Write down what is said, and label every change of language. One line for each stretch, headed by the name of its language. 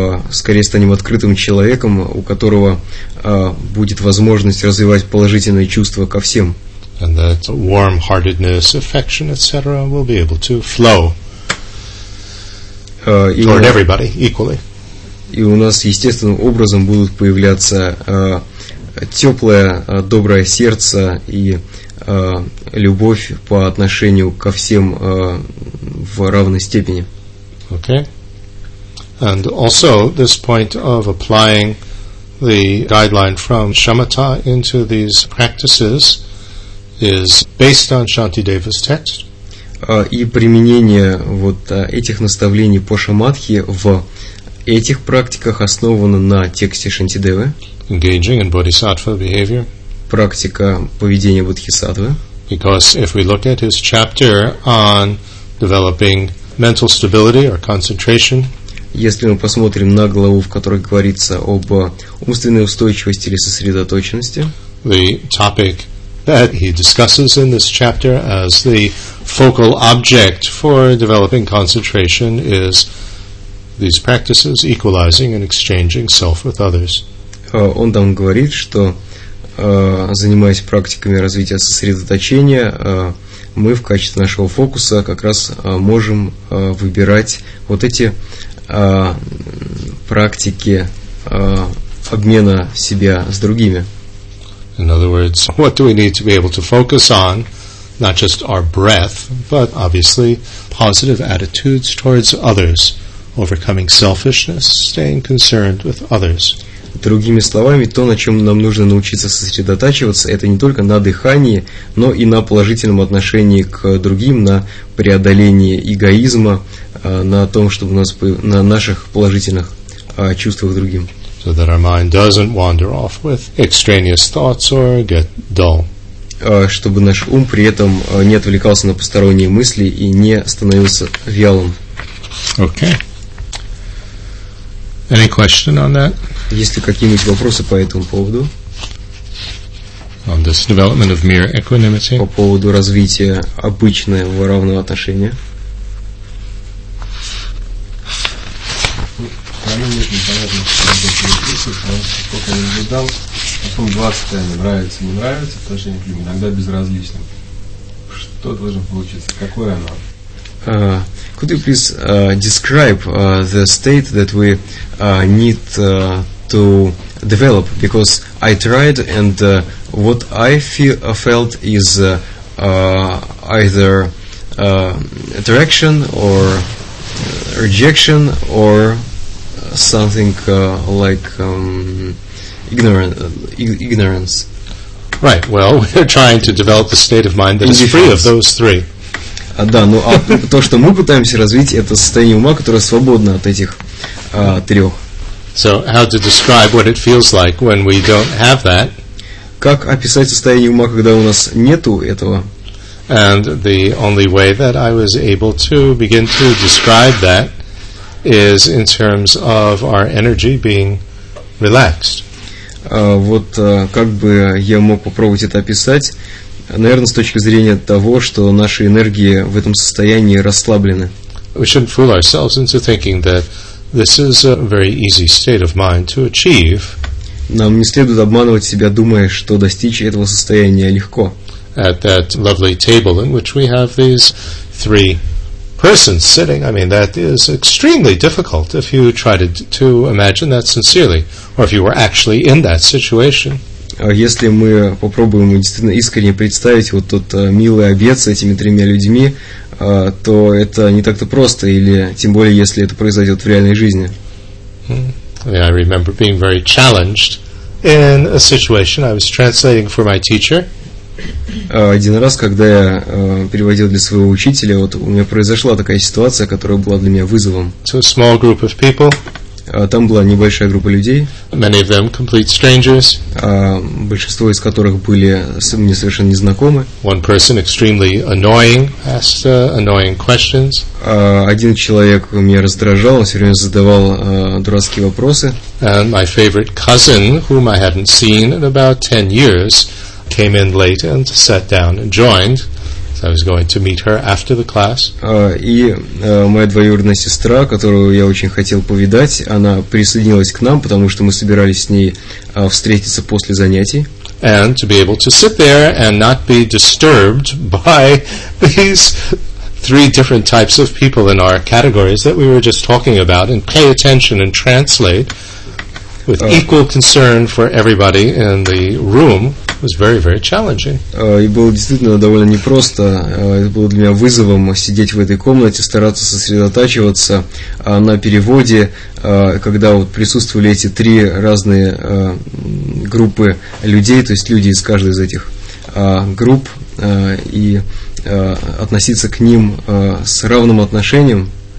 Russian: Скорее станем открытым человеком, у которого будет возможность развивать положительные чувства ко всем.
English: And that warm-heartedness, affection, etc., will be able to flow toward everybody equally.
Russian: И у нас естественным образом будут появляться теплое, доброе сердце и любовь по отношению ко всем в равной степени.
English: Okay. And also this point of applying the guideline from shamatha into these practices is based on Shantideva's text.
Russian: И применение вот этих наставлений по шамадхи в этих практиках основано на тексте Шантидевы.
English: Engaging in bodhisattva behavior.
Russian: Практика поведения бодхисаттвы.
English: Because if we look at his chapter on developing mental stability or concentration.
Russian: Если мы посмотрим на главу, в которой говорится об умственной устойчивости или сосредоточенности.
English: The topic that he discusses in this chapter as the focal object for developing concentration is these practices equalizing and exchanging self with others.
Russian: Он там говорит, что занимаясь практиками развития сосредоточения, мы в качестве нашего фокуса как раз можем выбирать вот эти практики обмена себя с другими.
English: In other words, what do we need to be able to focus on? Not just our breath, but obviously positive attitudes towards others, overcoming selfishness, staying concerned with others.
Russian: Другими словами, то, на чем нам нужно научиться сосредотачиваться, это не только на дыхании, но и на положительном отношении к другим, на преодолении эгоизма, на том, чтобы у нас на наших положительных чувствах другим.
English: So that our mind doesn't wander off with extraneous thoughts or get dull.
Russian: Чтобы наш ум при этом не отвлекался на посторонние мысли и не становился вялым.
English: Okay. Any question on that?
Russian: Есть ли какие-нибудь вопросы по этому поводу?
English: On this development of mere equanimity?
Russian: По поводу развития обычного равного отношения? Сколько я наблюдал, потом 20 тайны, нравится, не нравится, отношение к людям, иногда безразличным. Что должно получиться? Какое оно?
English: Could you please describe the state that we need to develop? Because I tried, and what I felt is either attraction or rejection or something like ignorance. Right. Well, we're trying to develop a state of mind that is free of those three.
Russian: Да, ну а то, что мы пытаемся развить, это состояние ума, которое свободно от этих трех.
English: So, how to describe what it feels like when we don't have that?
Russian: Как описать состояние ума, когда у нас нету этого?
English: And the only way that I was able to begin to describe that is in terms of our energy being relaxed.
Russian: Вот как бы я мог попробовать это описать? Наверное, с точки зрения того, что наши энергии в этом состоянии расслаблены.
English: We shouldn't fool ourselves into thinking that this is a very easy state of mind to achieve.
Russian: Нам не следует обманывать себя, думая, что достичь этого состояния легко.
English: At that lovely table in which we have these three persons sitting, I mean, that is extremely difficult if you try to imagine that sincerely, or if you were actually in that situation.
Russian: Если мы попробуем действительно искренне представить вот тот милый обед с этими тремя людьми, то это не так-то просто, или тем более, если это произойдет в реальной жизни.
English: I remember being very challenged in a situation I was translating for my teacher.
Russian: Один раз, когда я переводил для своего учителя, вот у меня произошла такая ситуация, которая была для меня вызовом.
English: To a small group of people.
Russian: Там была небольшая группа людей.
English: Many of them complete strangers.
Russian: Большинство из которых были мне совершенно незнакомы.
English: One person extremely annoying, asked annoying questions.
Russian: Один человек меня раздражал, он все время задавал дурацкие вопросы.
English: And my favorite cousin, whom I hadn't seen in about 10 years, came in late and sat down and joined. I was going to meet her after the class.
Russian: Моя двоюродная сестра, которую я очень хотел повидать, она присоединилась к нам, потому что мы собирались с ней встретиться после занятий.
English: And to be able to sit there and not be disturbed by these three different types of people in our categories that we were just talking about, and pay attention and translate with equal concern for everybody in the room. was very, very challenging.
Russian: И было действительно довольно непросто. Это было для меня вызовом сидеть в этой комнате, стараться сосредотачиваться на переводе, когда вот присутствовали эти три разные группы людей, то есть люди из каждой из этих групп, и относиться к ним с равным отношением.